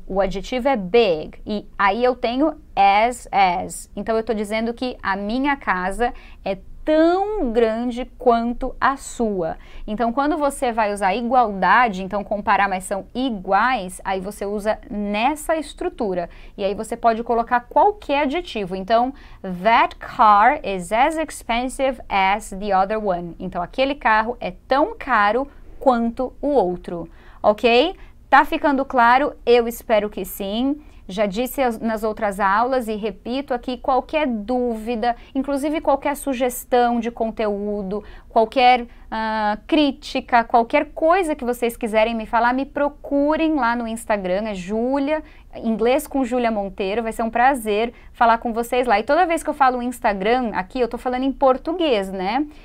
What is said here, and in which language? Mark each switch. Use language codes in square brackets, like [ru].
[pt] O adjetivo é big. E aí eu tenho as. Então, eu tô dizendo que a minha casa é tão grande quanto a sua. Então, quando você vai usar igualdade, então comparar, mas são iguais, aí você usa nessa estrutura. E aí você pode colocar qualquer adjetivo. [en] Então, that car is as expensive as the other one. [pt] Então, aquele carro é tão caro quanto o outro. Ok? Tá ficando claro? Eu espero que sim. Já disse nas outras aulas e repito aqui, qualquer dúvida, inclusive qualquer sugestão de conteúdo, qualquer crítica, qualquer coisa que vocês quiserem me falar, me procurem lá no Instagram, é Júlia, inglês com Júlia Monteiro, vai ser um prazer falar com vocês lá. E toda vez que eu falo Instagram aqui, eu tô falando em português, né?